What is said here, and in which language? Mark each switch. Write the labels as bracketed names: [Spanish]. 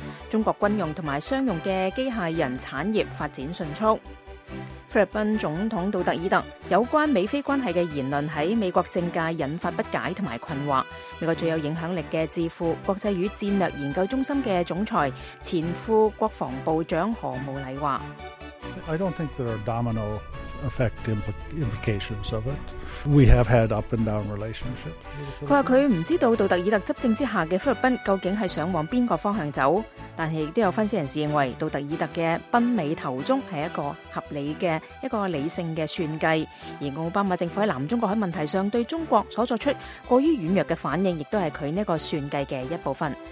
[Chinese] 中国军用和商用的机械人产业发展迅速。菲律宾总统杜特尔特有关美菲关系的言论在美国政界引发不解和困惑。美国最有影响力的智库国际与战略研究中心的总裁前副国防部长何慕礼说， [English] I don't think there are domino effect implications of it. We have had up and down relationship. [Chinese] 他说他不知道杜特尔特执政之下的菲律宾究竟是想往哪个方向走，但是也有分析人士认为杜特尔特的奔美投中是一个合理的、一个理性的算计。而奥巴马政府在南中国海问题上对中国所作出过于软弱的反应，也是他这个算计的一部分。